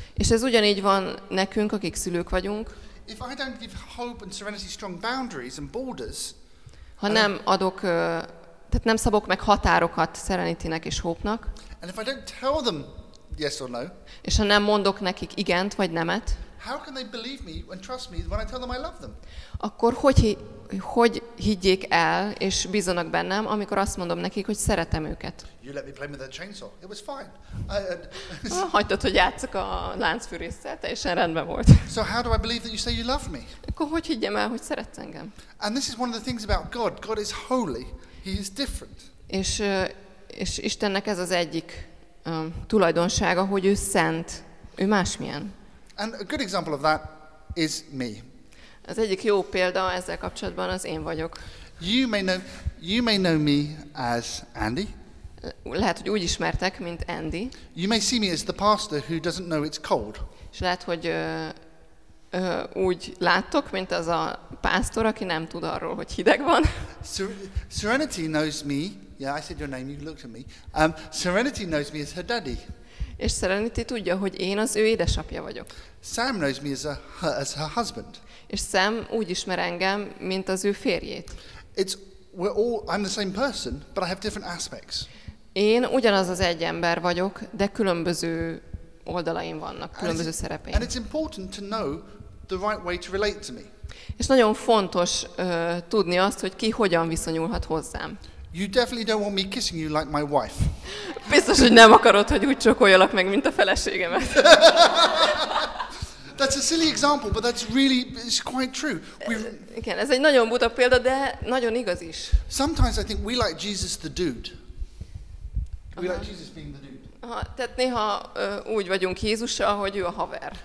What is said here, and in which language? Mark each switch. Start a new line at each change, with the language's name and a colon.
Hungarian: És ez ugyanígy van nekünk, akik szülők vagyunk.
English: If I don't give hope and serenity strong boundaries and borders,
Hungarian: ha nem adok tehát nem szabok meg határokat Serenity-nek és Hope-nak.
English: And if I don't tell them yes or no,
Hungarian: és ha nem mondok nekik igent vagy nemet,
English: how can they believe me and trust me when I tell them I love them?
Hungarian: Akkor hogy higgyék el és bízzanak bennem, amikor azt mondom nekik, hogy szeretem őket?
English: You let me play with that chainsaw. It was fine.
Hungarian: Hagytad, hogy játsszak a láncfűrésszel, teljesen rendben volt.
English: So how do I believe that you say you love me?
Hungarian: Akkor hogy higgyem el, hogy szeretsz engem?
English: And this is one of the things about God. God is holy. He is different.
Hungarian: És Istennek ez az egyik tulajdonsága, hogy ő szent, ő másmilyen.
English: And a good example of that is me.
Hungarian: Az egyik jó példa ezzel kapcsolatban az én vagyok.
English: You may know me as Andy.
Hungarian: Lehet, hogy úgy ismertek, mint Andy.
English: You may see me as the pastor who doesn't know it's cold.
Hungarian: És lehet, hogy úgy láttok, mint az a pásztor, aki nem tud arról, hogy hideg van.
English: Serenity knows me. Yeah, I said your name, you looked at me. Serenity knows me as her daddy.
Hungarian: És Serenity tudja, hogy én az ő édesapja vagyok.
English: Sam knows me as her husband.
Hungarian: És Sam úgy ismer engem, mint az ő férjét.
English: I'm the same person, but I have different aspects.
Hungarian: Én ugyanaz az egy ember vagyok, de különböző oldalaim vannak, különböző szerepeim.
English: And it's important to know the right way to relate to me.
Hungarian: És nagyon fontos tudni azt, hogy ki hogyan viszonyulhat hozzám.
English: You definitely don't want me kissing you like my wife.
Hungarian: Biztos, hogy nem akarod, hogy úgy csokoljalak meg, mint a feleségemet.
English: That's a silly example, but that's really, it's quite true.
Hungarian: Igen, ez egy nagyon buta példa, de nagyon igaz is.
English: Sometimes I think we like Jesus the dude. We like Jesus being the dude.
Hungarian: Tehát néha úgy vagyunk Jézussal, hogy ő a haver.